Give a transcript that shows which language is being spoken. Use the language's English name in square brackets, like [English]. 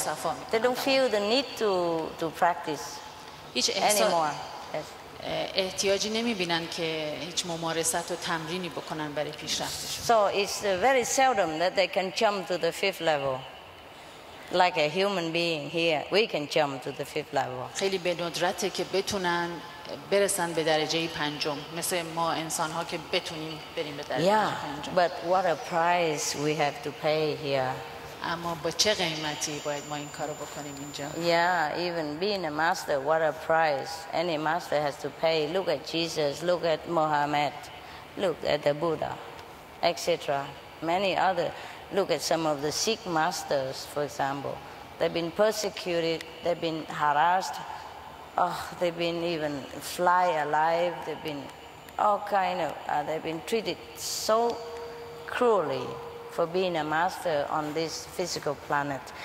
[Persian] صفا می کنند [English] They don't feel the need to practice anymore yes. [Persian] احتیاجی نمی بینن که هیچ ممارست و تمرینی بکنن برای پیشرفتشون [English] So it's very seldom that they can jump to the fifth level like a human being here we can jump to the fifth level [Persian] خیلی به ندرته که بتونن برسن به درجه پنجم مثل ما انسان ها که بتونیم بریم به درجه yeah, پنجم [English] but what a price we have to pay here [Persian] اما با چه قیمتی باید ما این کارو بکنیم اینجا [English] yeah even being a master what a price any master has to pay look at Jesus look at Muhammad look at the Buddha etc many other look at some of the Sikh masters for example they've been persecuted they've been harassed Oh, they've been even fly alive, they've been all kind of, they've been treated so cruelly for being a master on this physical planet.